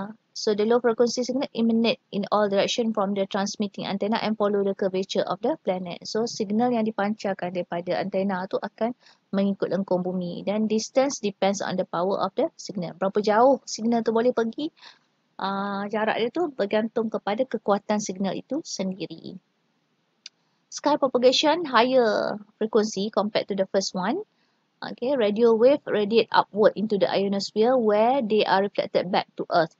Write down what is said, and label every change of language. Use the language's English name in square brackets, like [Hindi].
[English] So the low frequency signal emanate in all direction from the transmitting antenna and follow the curvature of the planet. [Malay] So signal yang dipancarkan daripada antena tu akan mengikut lengkung bumi. Then distance depends on the power of the signal. Berapa jauh signal tu boleh pergi, jarak dia tu bergantung kepada kekuatan signal itu sendiri. [English] Sky propagation, higher frequency compared to the first one. Okay, radio wave radiate upward into the ionosphere where they are reflected back to Earth.